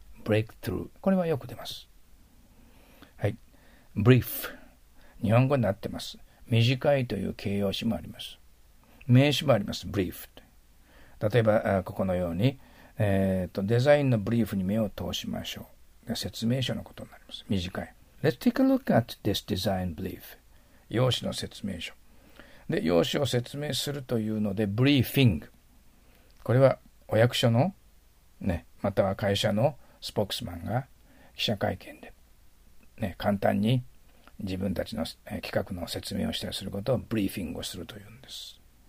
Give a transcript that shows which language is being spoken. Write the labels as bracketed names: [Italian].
[Japanese] ブレイクスルー、これはよく出ます。はい、ブリーフ、日本語になってます。短いという形容詞もあります。名詞もあります、ブリーフ。例えば、ここのように、デザインのブリーフに目を通しましょう。説明書のことになります。短い。 [English] Let's take a look at this design brief。 [Japanese] 用紙の説明書で、用紙を説明するというのでブリーフィング、これはお役所の、ね、または会社のスポークスマンが記者会見で、ね、簡単に自分たちの企画の説明をしたりすることをブリーフィングをするというんです。